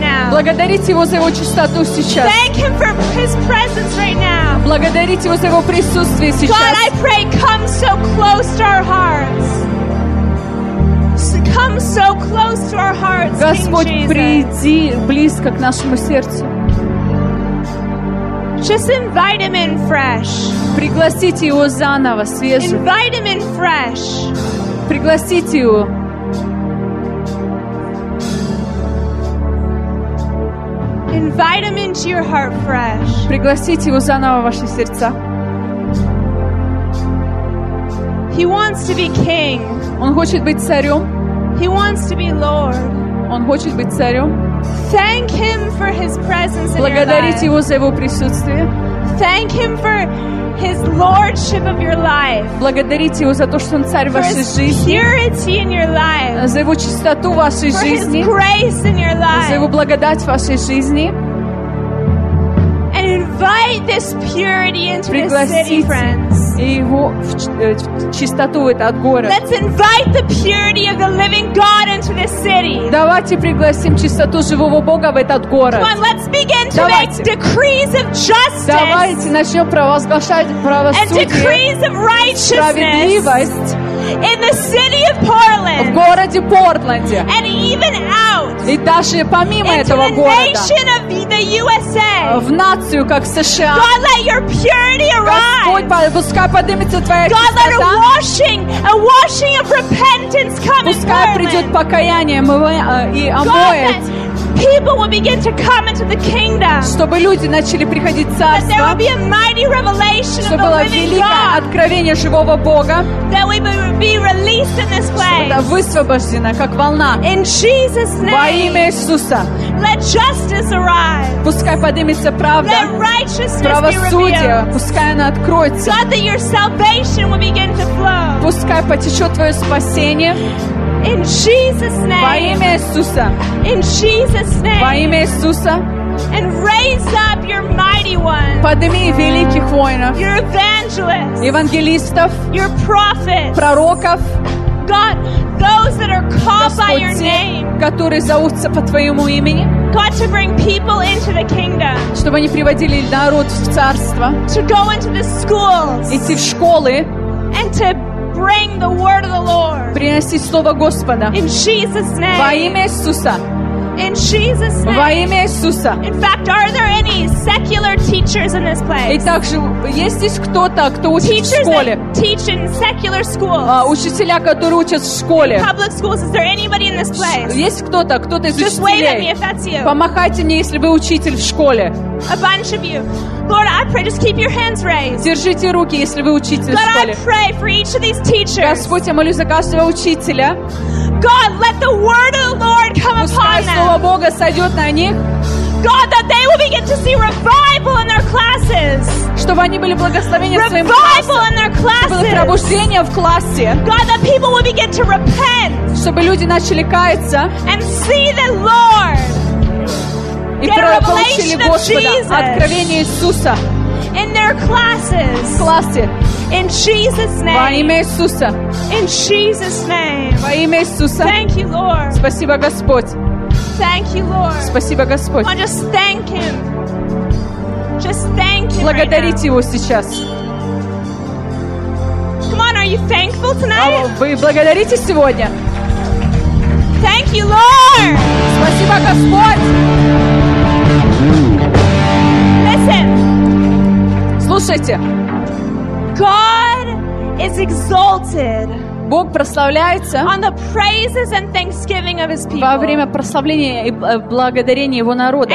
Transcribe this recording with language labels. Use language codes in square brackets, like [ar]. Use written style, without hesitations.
[ru] Благодарите его за его чистоту сейчас. [en] Thank him for his presence right now. [ru] Благодарите его за его присутствие сейчас. [en] God, I pray, come so close to our hearts. Come so close to our hearts, [ru] Господь, [en] King Jesus. [ru] Приди близко к нашему сердцу. [en] Just invite him in fresh. [ru] Пригласите его заново, свежо. [en] Invite him in fresh. [ru] Пригласите его. [en] Invite him into your heart fresh. [ru] Пригласите его заново в ваши сердца. [en] He wants to be king. [ru] Он хочет быть царем. [en] He wants to be lord. [ru] Он хочет быть царем. [en] Thank him for his presence in your life. [ru] Благодарите его за его присутствие. [en] Thank him for his lordship of your life. [ru] Благодарите его за то, что он царь вашей жизни. [en] For his purity in your life. [ru] За его чистоту вашей жизни. [en] For his grace in your life. [ru] За его благодать вашей жизни. [en] And invite this purity into the city, friends. [ru] И его в чистоту в этот город. [en] Let's invite the purity of the living God into this city. [ru] Давайте пригласим чистоту живого Бога в этот город. [en] Come on, let's begin to make decrees of justice. [ru] Давайте начнем провозглашать правосудие. [en] And decrees of righteousness. [ru] Справедливость. [en] In the city of Portland. [ru] В городе Портленде. [en] And even out. [ru] И даже помимо этого города. [en] Into the nation of the USA. [ru] В нацию, как США. [en] God, let your purity arise. [ru] Пускай поднимется твоя [en] God, let a washing of repentance come in Portland. [ru] Пускай придет покаяние, и омоет. [en] People will begin to come into the kingdom. [ru] Чтобы люди начали приходить в царство. [en] That there will be a mighty revelation of the living God. [ru] Чтобы было великое откровение живого Бога. [en] That we will be released in this place. [ru] Чтобы это высвобождено, как волна. [en] In Jesus' name. [ru] Во имя Иисуса. [en] Let justice arise. [ru] Пускай поднимется правда. [en] Let righteousness be revealed. [ru] Правосудие, пускай оно откроется. [en] God, that your salvation will begin to flow. [ru] Пускай потечет твое спасение. [en] In Jesus' name. [ru] Во имя Иисуса. [en] In Jesus' name. [ru] Во имя Иисуса. [en] And raise up your mighty ones. [ru] Подними великих воинов. [en] Your evangelists. [ru] Евангелистов. [en] Your prophets. [ru] Пророков. [en] God, those that are called [ru] Господь, [en] by your name. [ru] Которые зовутся по твоему имени. [en] God, to bring people into the kingdom. [ru] Чтобы они приводили народ в царство. [en] To go into the schools. [ru] Идти в школы. [en] And to bring the word of the Lord. [ru] Принеси слово Господа. [en] In Jesus' name. [ru] Во имя Иисуса. [en] In Jesus' name. [ru] Во имя Иисуса. [en] In fact, are there any secular teachers in this place? [ru] И также есть здесь кто-то, кто учит [en] teachers [ru] в школе? [en] That teach in secular schools. [ru] Учителя, которые учат в школе. [en] In public schools, is there anybody in this place? [ru] Есть кто-то, кто-то из [en] Just Just wave at me if that's you. [ru] Помахайте мне, если вы учитель в школе. [en] A bunch of you. Lord, I pray, just keep your hands raised. [ru] Держите руки, если вы учитель в школе. [en] God, I pray for each of these teachers. [ru] Господь, я молюсь за каждого учителя. [en] God, let the word of the Lord come upon them. [ru] Пускай слово Бога сойдет на них. [en] God, that they will begin to see revival in their classes. [ru] Чтобы они были благословения [en] revival [ru] своим классом. [en] Revival in their classes. [ru] Чтобы было пробуждение в классе. [en] God, that people will begin to repent. [ru] Чтобы люди начали каяться. [en] And see the Lord. [ru] И получили Господа откровение Иисуса [en] in their classes. [ru] В классе. [en] In Jesus' name. [ru] Во имя Иисуса. [en] In Jesus' name. [ru] Во имя Иисуса. [en] Thank you, Lord. [ru] Спасибо, Господь. [en] Thank you, Lord. [ru] Спасибо, Господь. [en] Come on, just thank him. Just thank him. [ru] Благодарите [en] right [ru] его [en] now. [ru] Сейчас. [en] Come on, are you thankful tonight? [ru] Вы благодарите сегодня? [en] Thank you, Lord. [ru] Спасибо, Господь. [en] God is exalted. [ru] Бог прославляется [en] on the praises and thanksgiving of his people. [ru] Во время прославления и благодарения его народа.